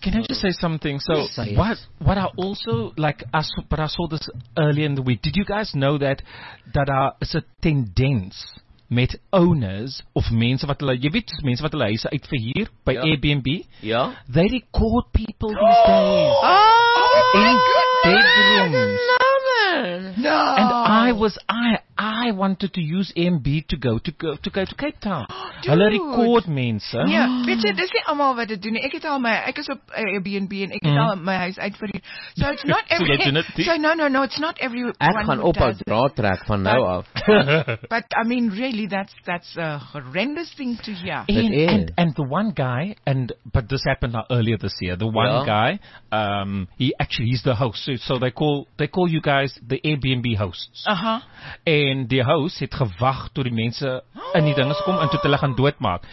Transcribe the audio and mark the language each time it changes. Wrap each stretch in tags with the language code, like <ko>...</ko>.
<en>Can I just say something? So what I also like, but I saw this earlier in the week. Did you guys know that is a tendency</en> <af>met owners of mense wat hulle, jy weet, mense wat hulle huise uitverhuur by</af> <en>Airbnb?</en> <af>Ja.</af> <en>They record people these days. Oh, in bedrooms. No. And I wanted to use MB to go to Cape Town. Dude.</en> <af>Hulle</af> <en>record</en> <af>mense. Ja, weet jy, dis nie almal wat dit doen. Ek het al my, ek is op Airbnb en ek het al my huis uitverhuur.</af> <en>So it's not it's not everyone.</en> <af>Ek kan op 'n draadtrek van nou af.</af> <en>But I mean, really, that's a horrendous thing to hear. And the one guy, but this happened earlier this year. The one guy, he's the host. So they call you guys the Airbnb hosts. Uh-huh.</en> <af>En die</af> <en>host</en> <af>het gewag tot die mense in die dinges kom en tot hulle gaan doodmaak.</af>